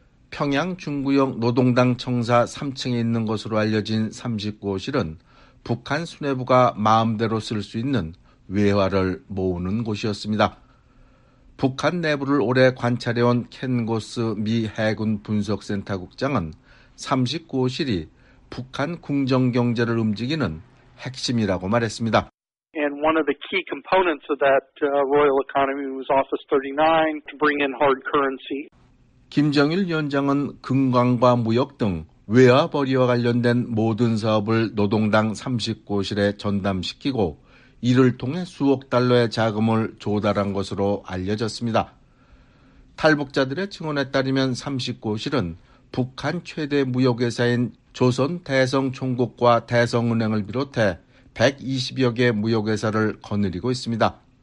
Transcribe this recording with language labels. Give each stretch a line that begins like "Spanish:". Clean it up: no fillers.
Korean: 평양 중구역 노동당 청사 3층에 있는 것으로 알려진 30곳은 북한 수뇌부가 마음대로 쓸 수 있는 외화를 모으는 곳이었습니다. 북한 내부를 오래 관찰해온 켄고스 미 해군 분석센터 국장은 30곳이 북한 궁정경제를 움직이는 핵심이라고 말했습니다.
English: And one of the key components of that royal economy was Office 39 to bring in hard currency.
Korean: 김정일 위원장은 금관과 무역 등 외화 벌이와 관련된 모든 사업을 노동당 30곳에 전담시키고 이를 통해 수억 달러의 자금을 조달한 것으로 알려졌습니다. 탈북자들의 증언에 따르면 30곳은 북한 최대 무역회사인 조선대성총국과 대성은행을 비롯해 120여 개 무역회사를 거느리고 있습니다.